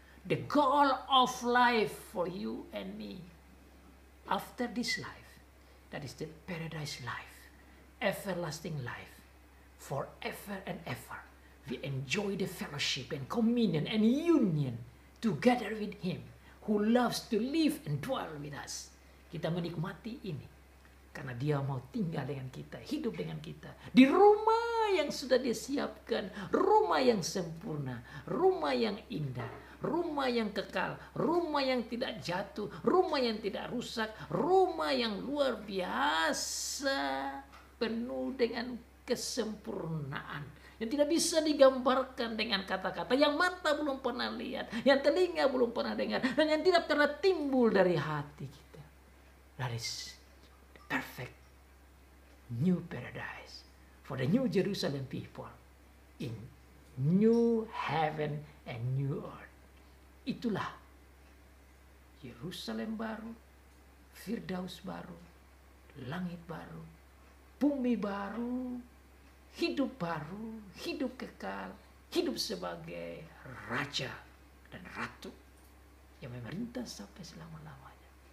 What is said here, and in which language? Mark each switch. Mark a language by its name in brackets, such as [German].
[English] The goal of life for you and me. After this life, that is the paradise life. Everlasting life. Forever and ever. We enjoy the fellowship and communion and union together with Him. Who loves to live and dwell with us. [Indonesian] Kita menikmati ini. Karena Dia mau tinggal dengan kita. Hidup dengan kita. Di rumah yang sudah Dia siapkan. Rumah yang sempurna. Rumah yang indah. Rumah yang kekal. Rumah yang tidak jatuh. Rumah yang tidak rusak. Rumah yang luar biasa. Penuh dengan kesempurnaan. Yang tidak bisa digambarkan dengan kata-kata, yang mata belum pernah lihat, yang telinga belum pernah dengar, dan yang tidak pernah timbul dari hati kita. [English] That is the perfect new paradise for the new Jerusalem people in new heaven and new earth. [Indonesian] Itulah Jerusalem baru, Firdaus baru, langit baru, bumi baru, hidup baru, hidup kekal, hidup sebagai raja dan ratu yang memerintah sampai selama-lamanya.